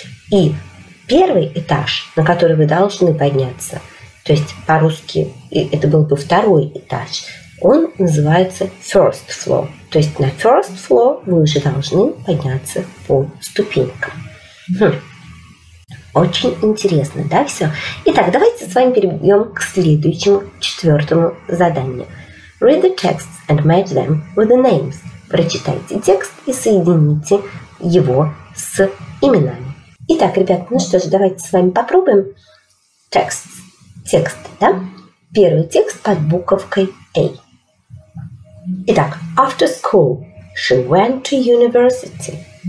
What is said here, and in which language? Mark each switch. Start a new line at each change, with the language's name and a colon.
Russian: И первый этаж, на который вы должны подняться, то есть по-русски это был бы второй этаж, он называется first floor. То есть на first floor вы уже должны подняться по ступенькам. Очень интересно, да, все? Итак, давайте с вами перейдем к следующему, четвертому заданию.
English: Read the texts and match them with the names.
Russian: Прочитайте текст и соедините его с именами. Итак, ребят, ну что же, давайте с вами попробуем. Текст, да? Первый текст под буковкой A.
English: Итак, after school, she went to university.